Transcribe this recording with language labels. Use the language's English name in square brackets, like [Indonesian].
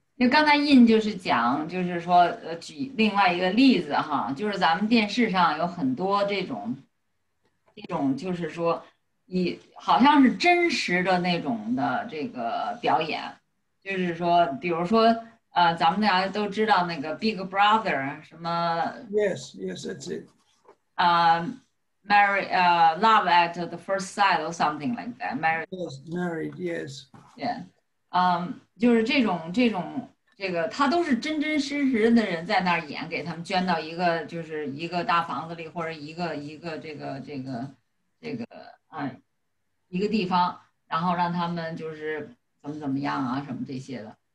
[Chinese] 刚才印就是讲，就是说，举另外一个例子哈，就是咱们电视上有很多这种就是说以好像是真实的那种的这个表演，就是说，比如说，咱们大家都知道那个 Big Brother 什么 [English] ，Yes, that's it. Love at the First Sight or something like that. Married, yes. Yeah. [Chinese] 就是这种。这个他都是真真实实的人在那儿演，给他们捐到一个就是一个大房子里，或者一个这个啊一个地方，然后让他们就是怎么样啊什么这些的。